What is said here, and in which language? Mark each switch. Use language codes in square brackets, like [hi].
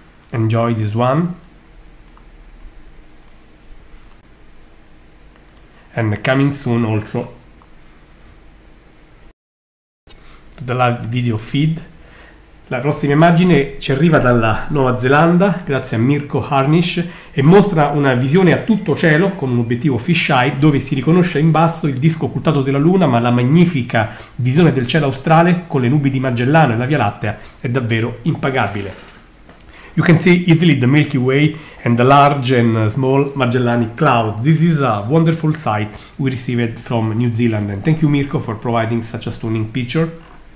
[en] Enjoy this one. And coming soon also to the live video feed. [it] La prossima immagine ci arriva dalla Nuova Zelanda, grazie a Mirko Harnish, e mostra una visione a tutto cielo con un obiettivo fisheye, dove si riconosce in basso il disco occultato della Luna, ma la magnifica visione del cielo australe con le nubi di Magellano e la Via Lattea è davvero impagabile. [en] You can see easily the Milky Way and the large and small Magellanic Cloud. This is a wonderful sight we received from New Zealand. And thank you, Mirko, for providing such a stunning picture.